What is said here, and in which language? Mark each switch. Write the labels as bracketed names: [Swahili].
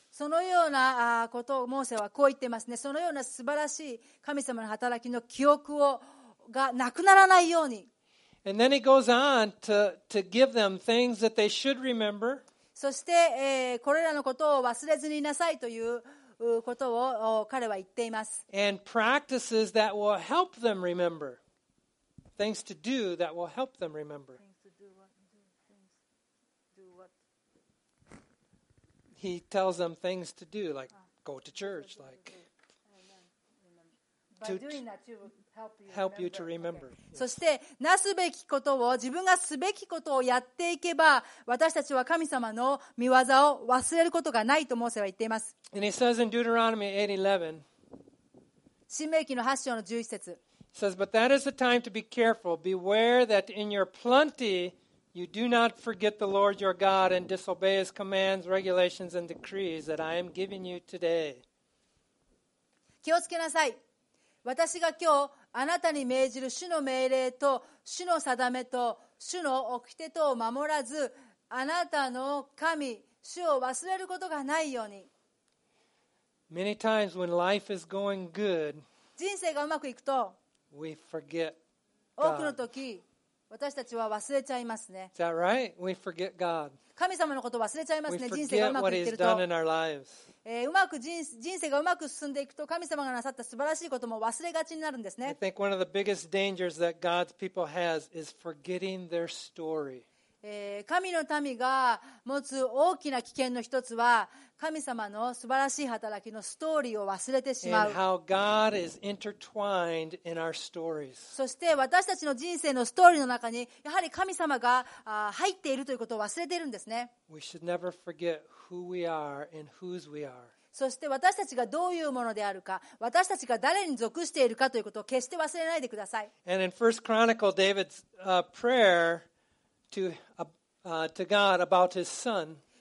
[Japanese] そのようなことをモーセはこう言ってますね。そのような素晴らしい神様の働きの記憶をがなくならないように。 [English] And then he goes on to give them things that they should remember. [Japanese] そして、これらのことを忘れずにいなさいということを彼は言っています。 [English] And practices that will help them remember. Things to do that will help them remember. He tells them things to do, like go to church, like to doing that, help you to remember. [Japanese] そしてなすべきことを自分がすべきことをやっていけば、私たちは神様の御業を忘れることがないとモーセは言っています。 [English] And he says in Deuteronomy 8:11, [Japanese] 新明記の8章の11節、 [English] says, but that is the time to be careful. Beware that in your plenty. You do not forget the Lord your God and disobey His commands, regulations, and decrees that I am giving you today. [Japanese] 気をつけなさい。私が今日あなたに命じる主の命令と主の定めと主の掟とを守らず、あなたの神主を忘れることがないように。 [English] Many times when life is going good, [Japanese] 人生がうまくいくと、 [English] we forget God. [Japanese] 多くの時。私たちは忘れちゃいますね。 [English] Is that right? We forget God. [Japanese] 神様のことを忘れちゃいますね。人生がうまくいってると。 [English] We forget what He's done in our lives. [Japanese] 人生がうまく進んでいくと、神様がなさった素晴らしいことも忘れがちになるんですね。 [English] I think one of the biggest dangers that God's people has is forgetting their story. [Japanese] 神の民が持つ大きな危険の一つは、神様の素晴らしい働きのストーリーを忘れてしまう。 [English] And how God is intertwined in our stories. [Japanese] そして私たちの人生のストーリーの中にやはり神様が入っているということを忘れているんですね。 [English] We should never forget who we are and whose we are. [Japanese] そして私たちがどういうものであるか、私たちが誰に属しているかということを決して忘れないでください。 [English] And in 1 Chronicle, David's prayer to God about his son.